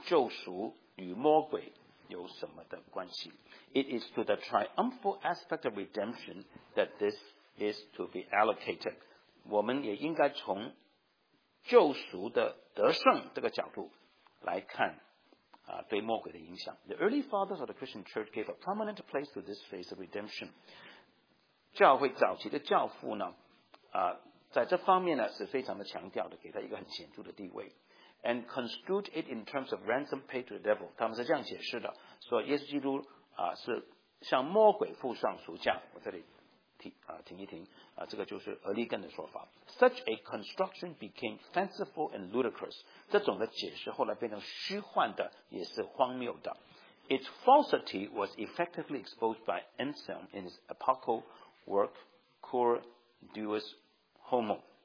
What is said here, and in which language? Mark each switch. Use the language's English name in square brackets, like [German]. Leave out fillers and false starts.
[Chinese] 好了，讲完这方面呢，我们来看第三方面，究竟救赎与魔鬼有什么的关系？ [English] It is to the triumphal aspect of redemption that this is to be allocated. [Chinese] 我们也应该从救赎的得胜这个角度来看。对魔鬼的影响. [English] The early fathers of the Christian church gave a prominent place to this phase of redemption. [Chinese] 教会早期的教父呢, 在这方面呢是非常的强调的, 给他一个很显著的地位, [English] and construed it in terms of ransom paid to the devil. [Chinese] 他们是这样解释的, 说耶稣基督, 是向魔鬼付上赎价, 我这里停一停, 这个就是俄利根的说法. [English] Such a construction became fanciful and ludicrous. [Chinese] 这种的解释后来变成虚幻的，也是荒谬的. [English] Its falsity was effectively exposed by Anselm in his apocryphal work Cur Deus Homo.